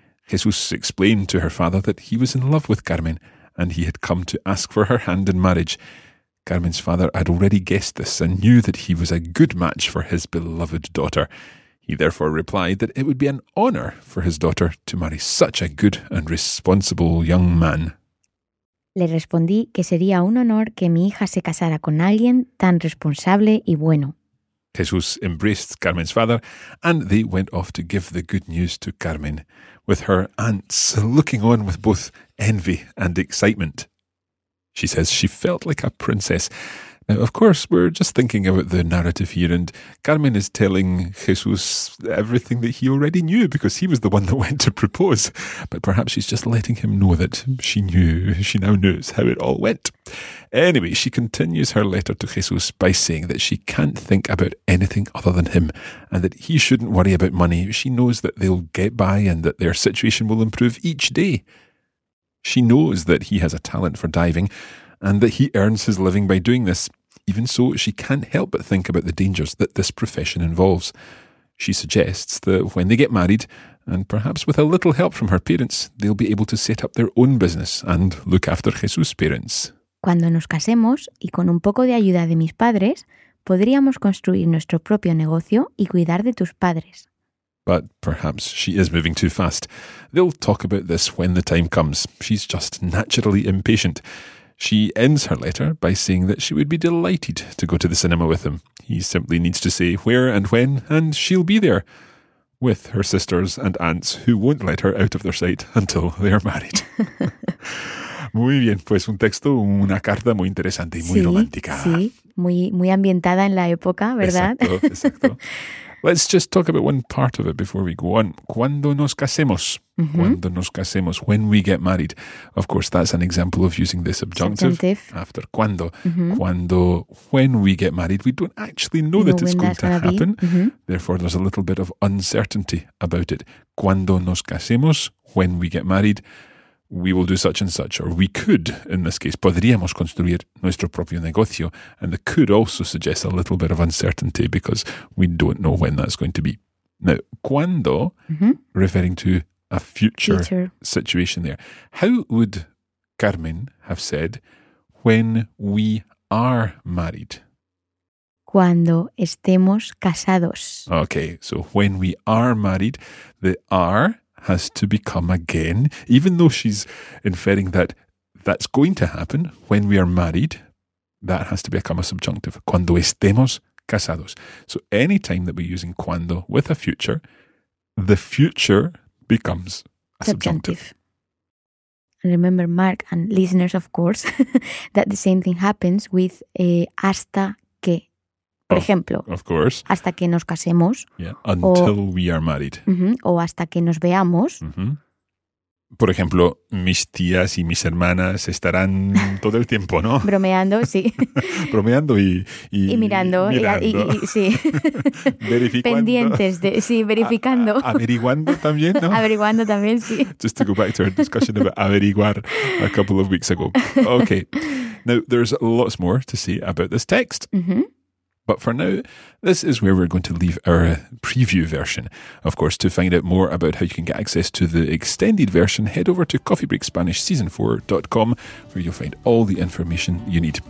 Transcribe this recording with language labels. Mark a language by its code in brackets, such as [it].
[en] Jesus explained to her father that he was in love with Carmen, and he had come to ask for her hand in marriage. Carmen's father had already guessed this and knew that he was a good match for his beloved daughter. He therefore replied that it would be an honour for his daughter to marry such a good and responsible young man. [es] Le respondí que sería un honor que mi hija se casara con alguien tan responsable y bueno. [en] Jesús embraced Carmen's father and they went off to give the good news to Carmen, with her aunts looking on with both envy and excitement. She says she felt like a princess. Now, of course, we're just thinking about the narrative here, and Carmen is telling Jesus everything that he already knew because he was the one that went to propose. But perhaps she's just letting him know that she knew, she now knows how it all went. Anyway, she continues her letter to Jesus by saying that she can't think about anything other than him and that he shouldn't worry about money. She knows that they'll get by and that their situation will improve each day. She knows that he has a talent for diving and that he earns his living by doing this. Even so, she can't help but think about the dangers that this profession involves. She suggests that when they get married, and perhaps with a little help from her parents, they'll be able to set up their own business and look after Jesús' parents. [es] Cuando nos casemos y con un poco de ayuda de mis padres, podríamos construir nuestro propio negocio y cuidar de tus padres. [en] But perhaps she is moving too fast. They'll talk about this when the time comes. She's just naturally impatient. She ends her letter by saying that she would be delighted to go to the cinema with him. He simply needs to say where and when, and she'll be there with her sisters and aunts who won't let her out of their sight until they are married. [es] Muy bien, pues un texto, una carta muy interesante y muy sí, romántica. Sí, muy, muy ambientada en la época, ¿verdad? Exacto. [en] Let's just talk about one part of it before we go on. [es] Cuando nos casemos. Mm-hmm. Cuando nos casemos. [en] When we get married. Of course, that's an example of using this subjunctive. After cuando. Mm-hmm. Cuando, when we get married. We don't actually know that it's going to happen. Mm-hmm. Therefore, there's a little bit of uncertainty about it. [es] Cuando nos casemos. [en] When we get married. We will do such and such. Or we could, in this case, [es] podríamos construir nuestro propio negocio. [en] And the could also suggests a little bit of uncertainty because we don't know when that's going to be. Now, cuando, mm-hmm. referring to a future situation there. How would Carmen have said, when we are married? [es] Cuando estemos casados. [en] Okay, so when we are married, the are has to become again, even though she's inferring that that's going to happen when we are married, that has to become a subjunctive. [es] Cuando estemos casados. [en] So any time that we're using cuando with a future, the future becomes a subjunctive. Remember, Mark and listeners, of course, that the same thing happens with [es] hasta que, por ejemplo. [en] Of course. [es] Hasta que nos casemos. [en] Yeah. Until we are married. [es] Mm-hmm, o hasta que nos veamos. Mm-hmm. por ejemplo, mis tías y mis hermanas estarán todo el tiempo, ¿no? Bromeando, sí. Bromeando y mirando. Y sí. Verificando. Pendientes, verificando. Averiguando también, ¿no? Averiguando también, sí. [en] Just to go back to our discussion about averiguar a couple of weeks ago. Okay. Now, there's lots more to say about this text. Mm-hmm. But for now, this is where we're going to leave our preview version. Of course, to find out more about how you can get access to the extended version, head over to coffeebreakspanishseason4.com where you'll find all the information you need.